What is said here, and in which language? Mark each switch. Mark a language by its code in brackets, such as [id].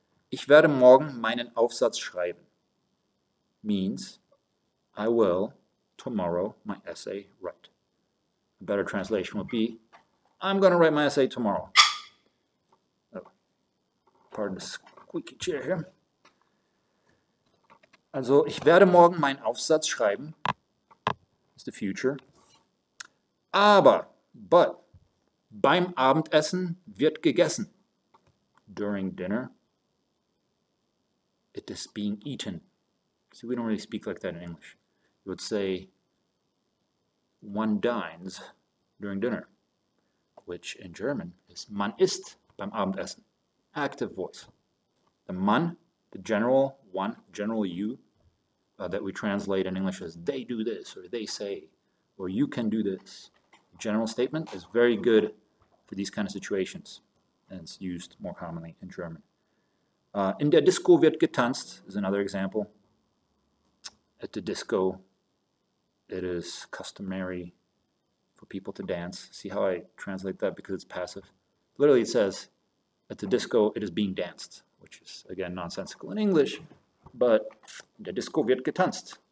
[de] Ich werde morgen meinen Aufsatz schreiben. [en] Means, I will tomorrow my essay right. A better translation would be, I'm going to write my essay tomorrow. Oh, pardon the squeaky chair here. [de] Also, ich werde morgen meinen Aufsatz schreiben. [en] It's the future. [de] But, beim Abendessen wird gegessen. [en] During dinner, it is being eaten. See, we don't really speak like that in English. You would say, one dines during dinner, which in German is [de] man isst beim Abendessen. [en] Active voice. The man, the general one, general you, that we translate in English as they do this, or they say, or you can do this. General statement is very good for these kind of situations, and it's used more commonly in German. [de] In der Disco wird getanzt [en] is another example. At the disco, it is customary for people to dance. See how I translate that, because it's passive? Literally it says, at the disco, it is being danced, which is, again, nonsensical in English, but [de] in der Disco wird getanzt.